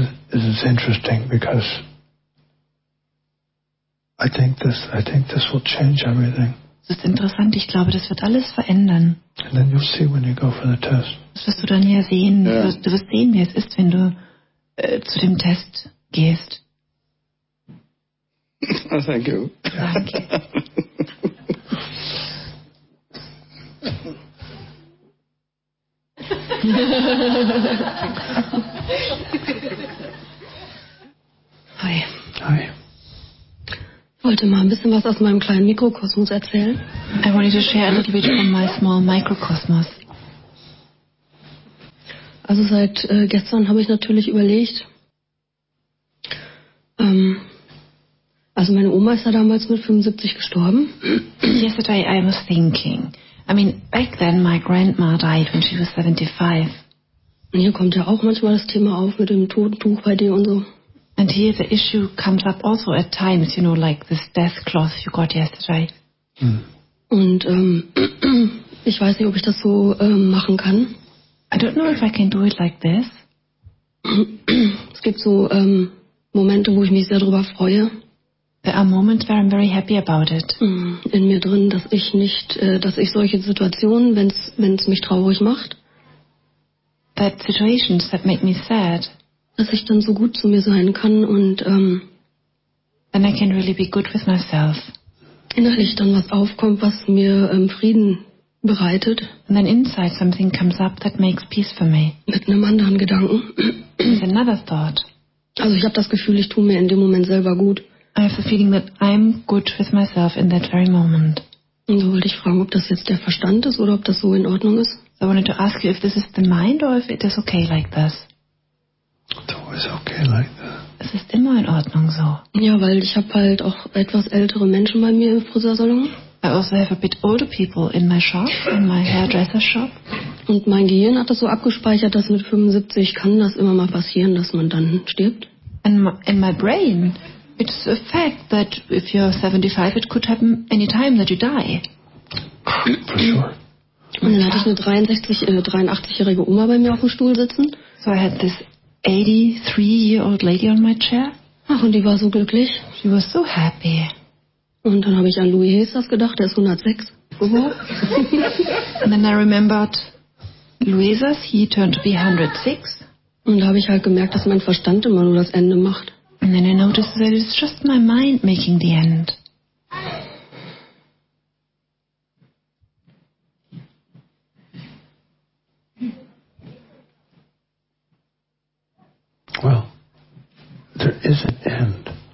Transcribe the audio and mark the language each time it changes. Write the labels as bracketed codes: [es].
[en] This is interesting because I think this will change everything. [de] Das ist interessant. Ich glaube, das wird alles verändern. [en] And then you'll see when you go for the test. [de] Das wirst du dann ja sehen. [en] Yeah. [de] Du wirst sehen, wie es ist, wenn du zu dem Test gehst. [en] Oh, thank you. [de] Danke. [en] Hi. Hi. [de] Ich wollte mal ein bisschen was aus meinem kleinen Mikrokosmos erzählen. [en] I wanted to share a little bit from my small microcosmos. [de] Also seit gestern habe ich natürlich überlegt, also meine Oma ist ja damals mit 75 gestorben. [en] Yesterday I was thinking. I mean, back then my grandma died when she was 75. [de] Und hier kommt ja auch manchmal das Thema auf mit dem Totentuch bei dir und so. [en] And here the issue comes up also at times, you know, like this death cloth you got yesterday. [de] Und ich weiß nicht, ob ich das so machen kann. [en] I don't know if I can do it like this. [de] Es gibt so Momente, wo ich mich sehr darüber freue. [en] There are moments where I'm very happy about it. [de] In mir drin, dass ich nicht, dass ich solche Situationen, wenn es mich traurig macht. [en] That situations that make me sad. [de] Dass ich dann so gut zu mir sein kann und [en] then I can really be good with myself. [de] Innerlich dann was aufkommt, was mir Frieden bereitet. [en] And then inside something comes up that makes peace for me. [de] Mit einem anderen Gedanken. [en] With another thought. [de] Also ich habe das Gefühl, ich tue mir in dem Moment selber gut. [en] I have the feeling that I'm good with myself in that very moment. [de] Und so wollte ich fragen, ob das jetzt der Verstand ist oder ob das so in Ordnung ist. [en] So I wanted to ask you if this is the mind or if it is okay like this. It's always okay like that. [de] Es ist immer in Ordnung so. Ja, weil ich habe halt auch etwas ältere Menschen bei mir im Friseursalon. [en] I also have a bit older people in my shop, in my hairdresser shop. [de] Und mein Gehirn hat das so abgespeichert, dass mit 75 kann das immer mal passieren, dass man dann stirbt. [en] In my brain, it's a fact that if you're 75, it could happen any time that you die. For sure. [de] Und dann hatte ich eine 83-jährige Oma bei mir auf dem Stuhl sitzen. [en] So I had this 83-year-old lady on my chair. [de] Ach, und die war so glücklich. [en] She was so happy. [de] Und dann habe ich an Louis Hesters gedacht, der ist 106. [en] And then I remembered Louis Hesters, he turned to be 106. [de] Und da habe ich halt gemerkt, dass mein Verstand immer nur das Ende macht. [en] And then I noticed that it's just my mind making the end. Well, there is an end.